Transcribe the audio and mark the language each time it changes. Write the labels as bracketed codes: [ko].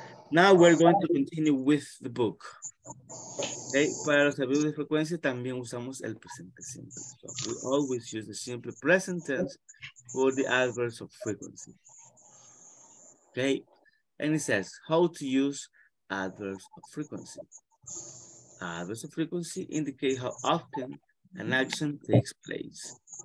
[en] Now we're going to continue with the book. [es] Okay, para los verbos de frecuencia también usamos el presente simple. [en] So we always use the simple present tense for the adverbs of frequency. Okay, and it says how to use adverbs of frequency. Adverbs of frequency indicate how often an action takes place.